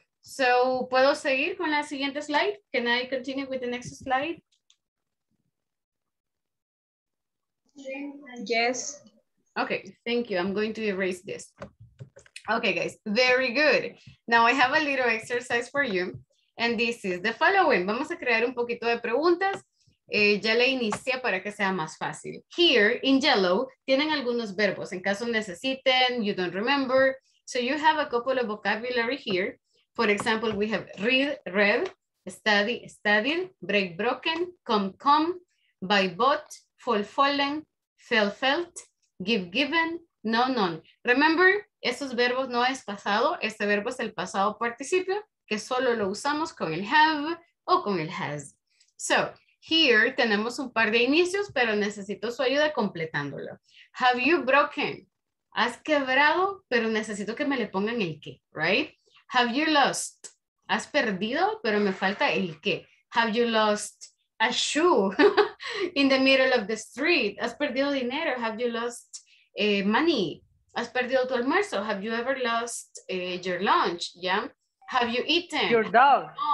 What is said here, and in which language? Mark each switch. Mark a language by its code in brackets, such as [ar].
[en] So, [es] ¿puedo seguir con la siguiente slide? [en] Can I continue with the next slide? Yes. Okay, thank you. I'm going to erase this. Okay, guys, very good. Now I have a little exercise for you. And this is the following. [es] Vamos a crear un poquito de preguntas. Ya le inicié para que sea más fácil. [en] Here, in yellow, [es] tienen algunos verbos. En caso necesiten, [en] you don't remember. So you have a couple of vocabulary here. For example, we have read, read, study, studied, break, broken, come, come, buy, bought, fall, fallen, fell, felt, give, given, no, none. Remember, [es] estos verbos no es pasado. Este verbo es el pasado participio. que solo lo usamos con el have o con el has. [en] So, here [es] tenemos un par de inicios, pero necesito su ayuda completándolo. [en] Have you broken? [es] Has quebrado, pero necesito que me le pongan el qué, right? [en] Have you lost? [es] Has perdido, pero me falta el qué. [en] Have you lost a shoe in the middle of the street? [es] Has perdido dinero. [en] Have you lost money? [es] Has perdido tu almuerzo. [en] Have you ever lost your lunch? Yeah. Have you eaten? Your dog.